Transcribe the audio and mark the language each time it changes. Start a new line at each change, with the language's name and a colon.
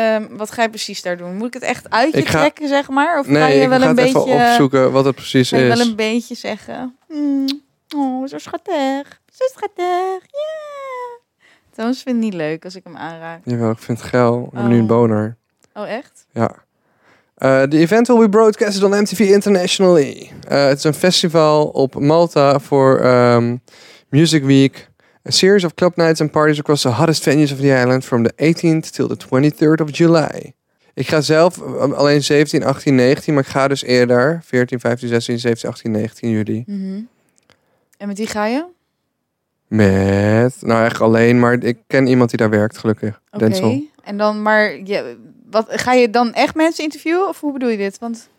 Dutch: Wat ga je precies daar doen? Moet ik het echt uit je trekken, zeg maar? Of nee, ga je wel een beetje... Nee, ik ga even opzoeken wat het precies is. Ik wel een beetje zeggen. Oh, zo schattig. Zo schattig, yeah. Thomas vindt het niet leuk als ik hem aanraak. Jawel, ik vind het geil. Ik heb nu een boner. Oh, echt? Ja.
English: The event will be broadcasted on MTV internationally.
Dutch: Het is een festival op Malta voor Music Week.
English: A series of club nights and parties across the hottest venues of the island from the 18th till the 23rd of July.
Dutch: Ik ga zelf alleen 17, 18, 19, maar ik ga dus eerder. 14, 15, 16, 17, 18, 19 juli. Mm-hmm. En met wie ga je? Met? Nou, echt alleen, maar ik ken iemand die daar werkt, gelukkig. Oké. Okay. En dan, maar... Ja, wat, ga je dan echt mensen interviewen? Of hoe bedoel je dit? Want